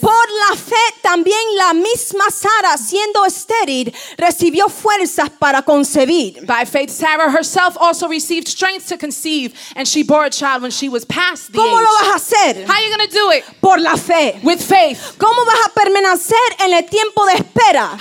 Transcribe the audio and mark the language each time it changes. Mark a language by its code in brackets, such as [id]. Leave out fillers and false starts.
[es] Por la fe también la misma Sara, siendo estéril, recibió fuerzas para concebir. [en] By faith Sarah herself also received strength to conceive, and she bore a child when she was past the [es] ¿Cómo ¿Cómo lo vas a hacer? [en] How are you going to do it? [es] Por la fe. [en] With faith. [es] ¿Cómo vas a permanecer en el tiempo de espera?